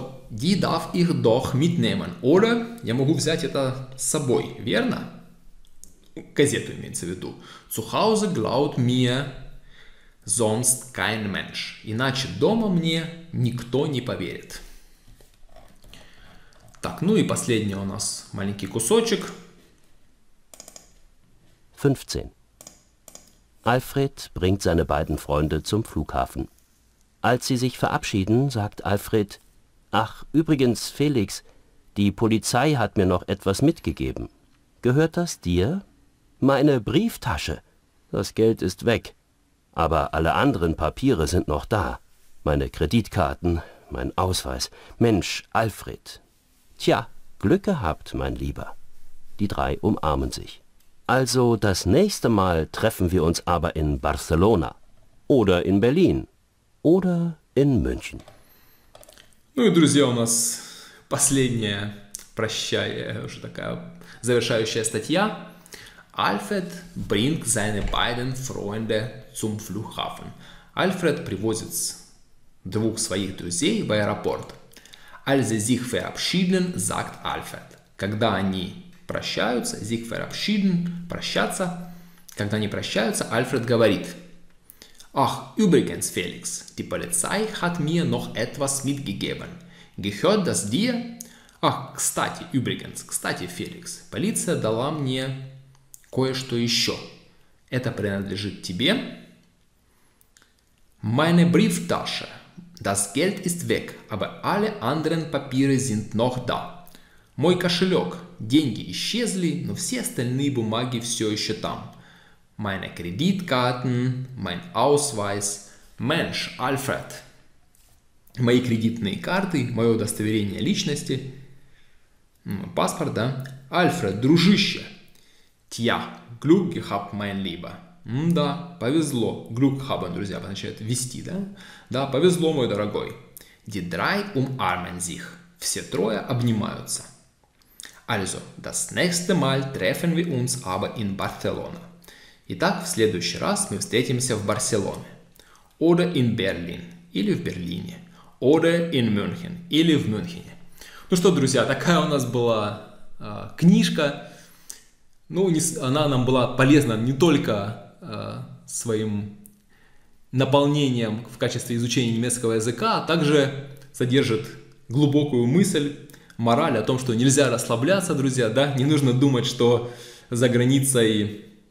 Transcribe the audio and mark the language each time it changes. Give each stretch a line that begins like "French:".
German: Die darf ich doch mitnehmen, oder?
Russian: Я могу взять это с собой, верно? Газету имеется в виду.
German: Zu Hause glaubt mir sonst kein Mensch.
Russian: Иначе дома мне никто не поверит. Так, ну и последний у нас маленький кусочек. 15.
German: Alfred bringt seine beiden Freunde zum Flughafen. Als sie sich verabschieden, sagt Alfred: Ach, übrigens, Felix, die Polizei hat mir noch etwas mitgegeben. Gehört das dir? Meine Brieftasche. Das Geld ist weg. Aber alle anderen Papiere sind noch da. Meine Kreditkarten, mein Ausweis. Mensch, Alfred. Tja, Glück gehabt, mein Lieber. Die drei umarmen sich. Also, das nächste Mal treffen wir uns aber in Barcelona. Oder in Berlin. Oder in München.
Russian: Ну и, друзья, у нас последняя, прощая, уже такая завершающая статья.
German: Альфред bringt seine beiden Freunde zum Flughafen.
Russian: Альфред привозит двух своих друзей в аэропорт.
German: Als sie sich verabschieden, sagt Alfred.
Russian: Когда они прощаются,
German: sich verabschieden,
Russian: прощаться, когда они прощаются, Альфред говорит.
German: Ach, übrigens, Felix, die Polizei hat mir noch etwas mitgegeben. Gehört das dir? Ach,
Russian: кстати,
German: übrigens,
Russian: кстати, Felix, полиция дала мне кое-что еще. Это принадлежит тебе?
German: Meine Brieftasche. Das Geld ist weg, aber alle anderen Papiere sind noch da.
Russian: Мой кошелек. Деньги исчезли, но все остальные бумаги все еще там.
German: Meine Kreditkarten, mein Ausweis. Mensch, Alfred.
Russian: Мои кредитные карты, мое удостоверение личности. Паспорт, да? Альфред, дружище.
German: Тья, Glück gehabt, mein Lieber.
Russian: Да, повезло.
German: Glück haben,
Russian: друзья, означает вести, да? Да, повезло, мой дорогой.
German: Die drei umarmen sich.
Russian: Все трое обнимаются.
German: Also, das nächste Mal treffen wir uns aber in Barcelona.
Russian: Итак, в следующий раз мы встретимся в Барселоне.
German: Oder in Berlin.
Russian: Или в Берлине.
German: Oder in München.
Russian: Или в Мюнхене. Ну что, друзья, такая у нас была книжка. Ну, она нам была полезна не только своим наполнением в качестве изучения немецкого языка, а также содержит глубокую мысль, мораль о том, что нельзя расслабляться, друзья, да, не нужно думать, что за границей